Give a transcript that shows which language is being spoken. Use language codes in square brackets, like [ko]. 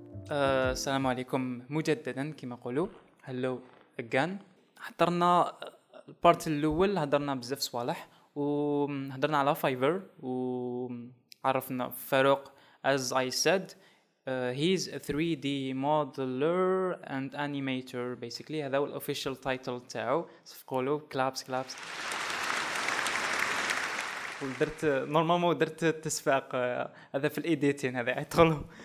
[ar] السلام عليكم مجددا كما قولوا. [en] Hello again. [ar] حضرنا البارت الاول، هضرنا بزاف صوالح وهضرنا على فايفر وعرفنا فاروق. [en] As I said, he's a 3D modeler and animator basically. [ar] هذا هو الاوفيشال تايتل تاعو. صفقوا له [en] Claps claps. [ar] ودرت نورمالمون درت تسفاق هذا في الايديتين هذا يدخلوا.